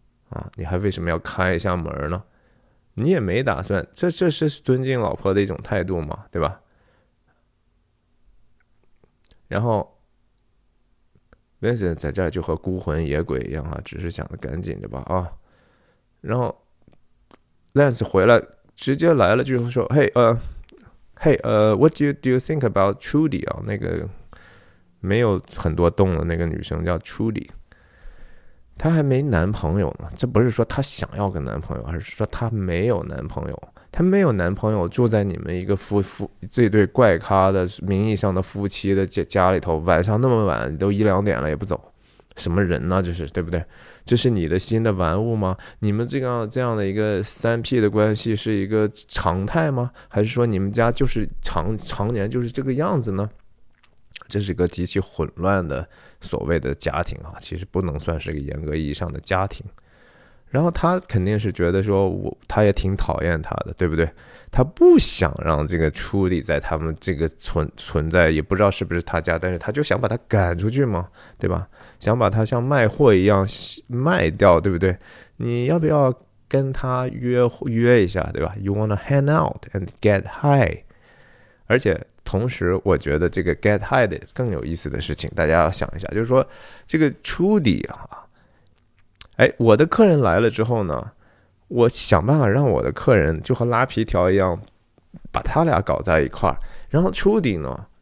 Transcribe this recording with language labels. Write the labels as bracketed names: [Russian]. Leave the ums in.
[Chinese] 啊，你还为什么要开一下门呢？你也没打算，这这是尊敬老婆的一种态度嘛，对吧？然后，n t 在这儿就和孤魂野鬼一样啊，只是想着赶紧的吧啊。然后。 l a n c e 回来直接来了，就是说，嘿，呃，嘿，呃， [English] What do you, do you think about Trudy [Chinese] 啊？那个没有很多动的那个女生叫 Trudy，她还没男朋友呢。这不是说她想要个男朋友，而是说她没有男朋友。她没有男朋友，住在你们一个夫妇这对怪咖的名义上的夫妻的家家里头，晚上那么晚都一两点了也不走，什么人呢？就是对不对？这是你的新的玩物吗？你们这样这样的一个三 P 的关系是一个常态吗？还是说你们家就是常常年就是这个样子呢？这是一个极其混乱的所谓的家庭啊，其实不能算是个严格意义上的家庭。然后他肯定是觉得说我他也挺讨厌他的，对不对？他不想让这个处理在他们这个存存在，也不知道是不是他家，但是他就想把他赶出去嘛，对吧？想把它像卖货一样卖掉，对不对？你要不要跟他约约一下，对吧？ [English] You wanna hang out and get high？ [Chinese] 而且同时，我觉得这个 get high 的更有意思的事情，大家要想一下，就是说这个 Trudy 啊，哎，我的客人来了之后呢，我想办法让我的客人就和拉皮条一样把他俩搞在一块儿，然后 Trudy 呢？